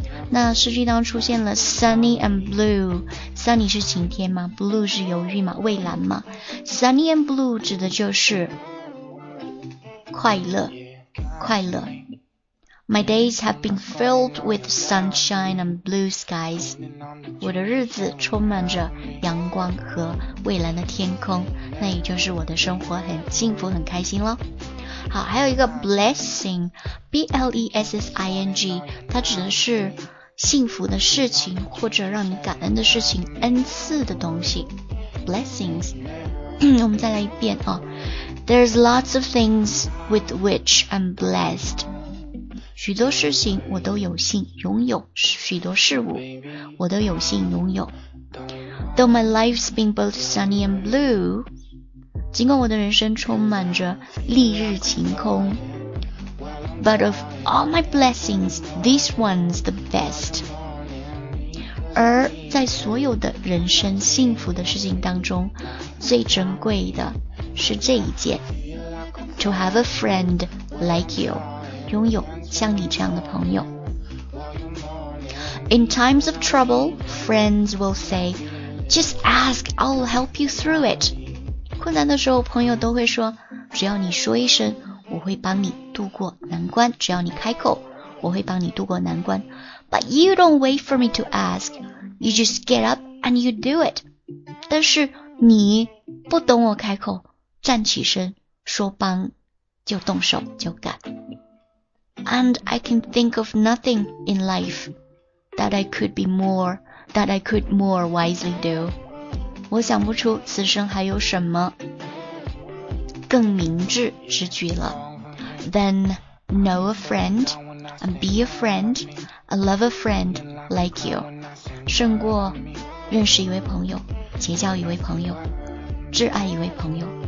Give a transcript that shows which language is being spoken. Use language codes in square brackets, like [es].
[zh] 那诗句当出现了 [en] sunny and blue， [zh] sunny 是晴天嘛 ，blue 是忧郁嘛，蔚蓝嘛 ，sunny and blue 指的就是快乐。快乐。 [en] My days have been filled with sunshine and blue skies. [zh] 我的日子充满着阳光和蔚蓝的天空，那也就是我的生活很幸福很开心咯。好，还有一个 blessing， B-L-E-S-S-I-N-G， 它指的是幸福的事情或者让你感恩的事情，恩赐的东西， blessings。我们再来一遍啊。 [en] There's lots of things with which I'm blessed. [zh] 许多事情我都有幸拥有，许多事物我都有幸拥有。 [en] Though my life's been both sunny and blue, [zh] 尽管我的人生充满着丽日晴空。 [en] But of all my blessings, this one's the best. [zh] 而在所有的人生幸福的事情当中，最珍贵的是这一件 [en] To have a friend like you， [zh] 拥有像你这样的朋友。 [en] In times of trouble， friends will say， Just ask， I'll help you through it。 [zh] 困难的时候朋友都会说，只要你说一声我会帮你度过难关，只要你开口我会帮你度过难关。 [en] But you don't wait for me to ask， You just get up and you do it。 [zh] 但是你不等我开口站起身说帮就动手就干。 [en] And I can think of nothing in life that I could more wisely do. [zh] 我想不出此生还有什么更明智之举了。 [en] Then know a friend and be a friend and love a friend like you. [zh] 胜过认识一位朋友，结交一位朋友，挚爱一位朋友。